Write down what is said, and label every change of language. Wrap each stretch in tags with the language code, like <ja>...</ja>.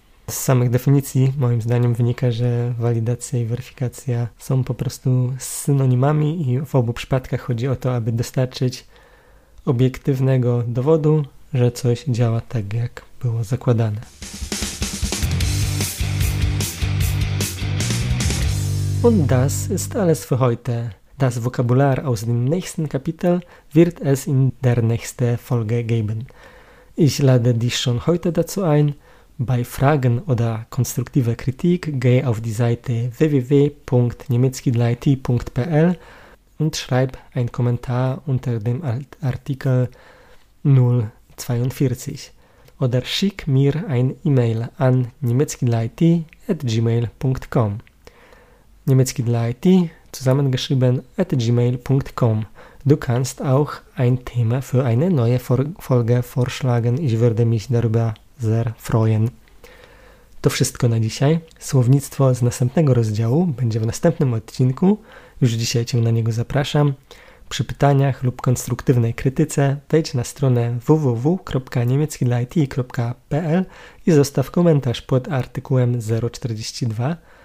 <pl>Z samych definicji moim zdaniem wynika, że walidacja i weryfikacja są po prostu synonimami i w obu przypadkach chodzi o to, aby dostarczyć obiektywnego dowodu, że coś działa tak, jak było zakładane.</pl> <de>Und das ist alles für heute. Das Vokabular aus dem nächsten Kapitel wird es in der nächsten Folge geben. Ich lade dich schon heute dazu ein. Bei Fragen oder konstruktiver Kritik geh auf die Seite www.niemieckidlaity.pl und schreib einen Kommentar unter dem Artikel 042 oder schick mir ein E-Mail an niemieckidlaity@gmail.com. Niemiecki dla IT, zusammengeschrieben, @gmail.com. Du kannst auch ein Thema für eine neue Folge vorschlagen. Ich würde mich darüber sehr freuen.</de> <pl>To wszystko na dzisiaj. Słownictwo z następnego rozdziału będzie w następnym odcinku. Już dzisiaj Cię na niego zapraszam. Przy pytaniach lub konstruktywnej krytyce wejdź na stronę www.niemieckidlaity.pl i zostaw komentarz pod artykułem 042.</pl>